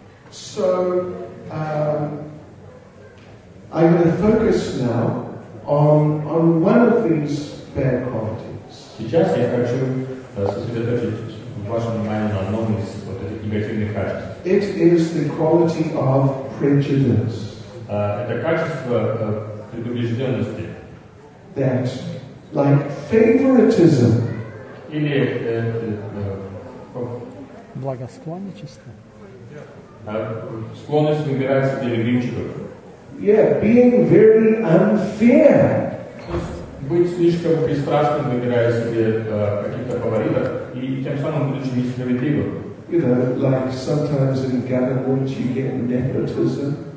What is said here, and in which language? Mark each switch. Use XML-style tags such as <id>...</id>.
<en>So, I'm going to focus now on one of these bad qualities.</en> <ru>Сейчас я хочу сосредоточить ваше внимание на одном из вот этих негативных качеств.</ru> <en>It is the quality of prejudice.</en> <ru>Это качество предубежденности.</ru> <en>That, like favoritism.</en> <ru>Или благосклонничество. Склонность выбирать себе любимчиков.</ru> <en>Yeah, being very unfair.</en> <ru>Быть слишком пристрастным, выбирая себе каких-то фаворитов, и тем самым будучи несправедливым.</ru> <en>You know, like sometimes in government you get nepotism.</en>